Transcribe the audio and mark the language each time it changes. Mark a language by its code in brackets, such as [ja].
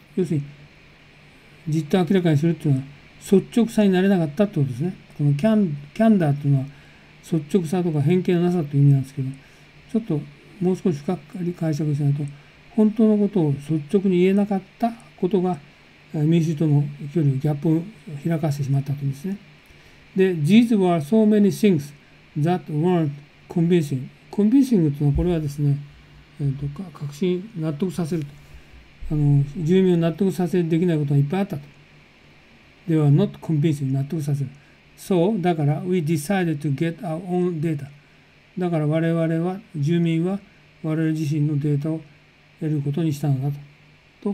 [ja] 要するに、実態を明らかにするっていうのは、率直さになれなかったってことですね。このキャンダーっていうのは、率直さとか偏見のなさという意味なんですけど、ちょっともう少し深く解釈しないと、本当のことを率直に言えなかったことが、民主党の距離、ギャップを開かせてしまったというんですね。 [en] で、these were so many things that weren't convincing。 [ja] convincing というのは、これはですね、確信、納得させると。住民を納得させできないことがいっぱいあったと。では、 [en] not convincing、 [ja] 納得させる。そう、だから、 [en] we decided to get our own data。 [ja] だから、我々は、住民は、我々自身のデータを得ることにしたのだと。